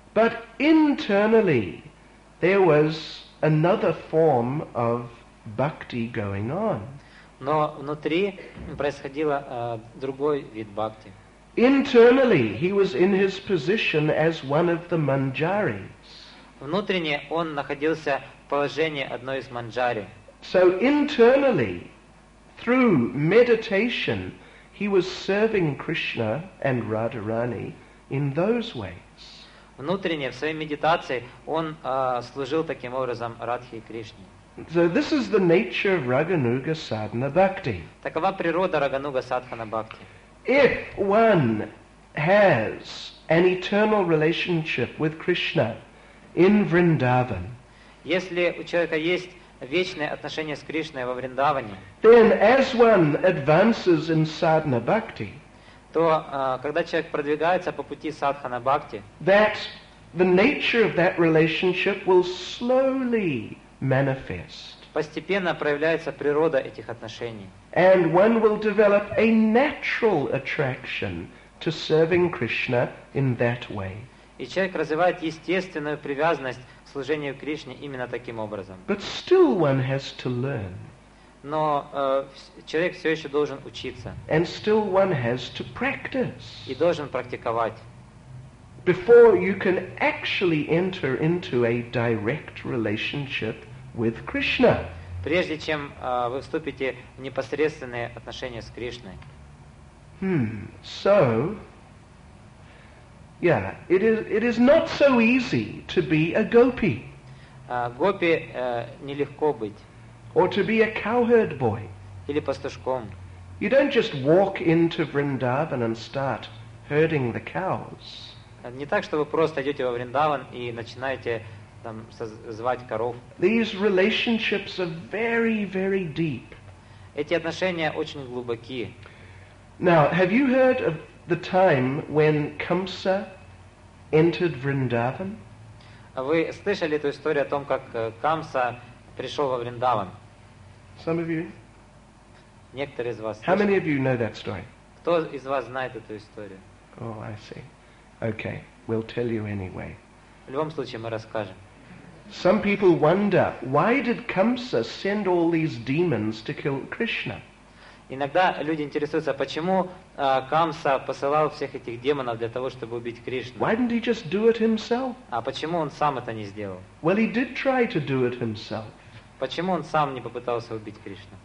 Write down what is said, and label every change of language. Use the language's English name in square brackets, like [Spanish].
[English] But internally there was another form of bhakti going on. [Russian] Но внутри происходило другой вид бхакти. [English] Internally, he was in his position as one of the manjaris. [Russian] Внутренне он находился в положении одной из манджари. [English] So internally, through meditation, he was serving Krishna and Radharani in those ways. [Russian] Внутренне в своей медитации он служил таким образом Радхе и Кришне. [English] So this is the nature of Raghunuga Sadhana Bhakti. [Russian] Такова природа Рагануга Садхана Бхакти. [English] If one has an eternal relationship with Krishna in Vrindavan, [Russian] если у человека есть вечное отношение с Кришной во Вриндаване, [English] then as one advances in Sadhana Bhakti, [Russian] то когда человек продвигается по пути Садхана Бхакти, [English] that the nature of that relationship will slowly manifest. [Russian] Постепенно проявляется природа этих отношений. [English] And one will develop a natural attraction to serving Krishna in that way. [Russian] И человек развивает естественную привязанность к служению Кришне именно таким образом. [English] But still one has to learn. [Russian] Но человек все еще должен учиться. [English] And still one has to practice. [Russian] И должен практиковать. [English] Before you can actually enter into a direct relationship with Krishna. [Russian] Прежде чем вы вступите в непосредственные отношения с Кришной. [English] So, yeah, it is not so easy to be a gopi. [Russian] Гопи нелегко быть. [English] Or to be a cowherd boy. [Russian] Или пастушком. [English] You don't just walk into Vrindavan and start herding the cows. [Russian] Не так, что вы просто идете во Вриндаван и начинаете там звать коров. [English] These relationships are very, very deep. [Russian] Эти отношения очень глубоки. [English] Now, have you heard of the time when Kamsa entered Vrindavan? [Russian] Вы слышали эту историю о том, как Камса пришел во Вриндаван? [English] Some of you? [Russian] Некоторые из вас. [English] How many of you know that story? [Russian] Кто из вас знает эту историю? [English] Oh, I see. Okay, we'll tell you anyway. [Russian] В любом случае мы расскажем. [English] Some people wonder, why did Kamsa send all these demons to kill Krishna? [Russian] Иногда люди интересуются, почему Камса посылал всех этих демонов для того, чтобы убить Кришну. [English] Why didn't he just do it himself? [Russian] А почему он сам это не сделал? [English] Well, he did try to do it himself. [Russian] Почему он сам не попытался убить Кришну?